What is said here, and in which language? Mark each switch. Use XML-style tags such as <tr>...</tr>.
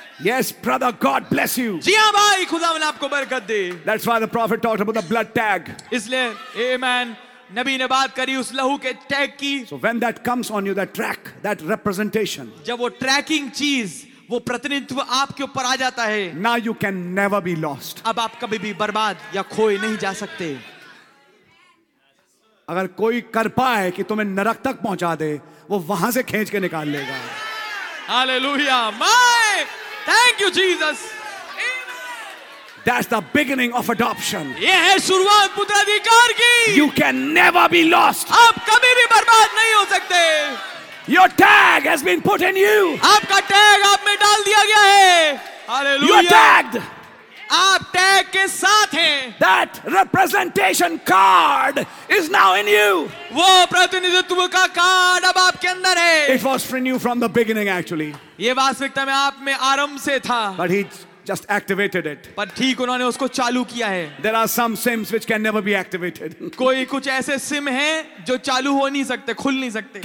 <en>Yes, brother, God bless you.</en> <hi>जी हाँ भाई, खुदा ने आपको बरकत दे.</hi> <en>That's why the prophet talked about the blood tag.</en> <hi>इसलिए, amen. नबी ने बात करी उस लहू के टैग की.</hi> <en>So when that comes on you, that track, that representation.</en> <hi>जब वो tracking चीज, वो प्रतिनिधित्व आपके ऊपर आ जाता है.</hi> <en>Now you can never be lost.</en> <hi>अब आप कभी भी बर्बाद या खोए नहीं जा सकते. अगर कोई कर पाए कि तुम्हें नरक तक पहुंचा दे, वो वहां से खींच के निकाल लेगा.</hi> <en>Hallelujah, my. Thank you, Jesus. That's the beginning of adoption.</en> <hi>यह है शुरुआत पुत्राधिकार की.</hi> <en>You can never be lost.</en> <hi>आप कभी भी बर्बाद नहीं हो सकते.</hi> <en>Your tag has been put in you.</en> <hi>आपका टैग आप में डाल दिया गया है.</hi> <en>Hallelujah. You are tagged.</en> <hi>आप टैग के साथ हैं.</hi> <en>That representation card is now in you.</en> <hi>वो प्रतिनिधित्व का कार्ड अब आपके अंदर है.</hi> <en>It was in you from the beginning, actually.</en> <hi>ये वास्तविकता में आप में आरंभ से था.</hi> <en>But he just activated it.</en> <hi>पर ठीक उन्होंने उसको चालू किया है.</hi> <en>There are some sims which can never be activated.</en> <hi>कोई कुछ ऐसे सिम हैं जो चालू हो नहीं सकते, खुल नहीं सकते.</hi>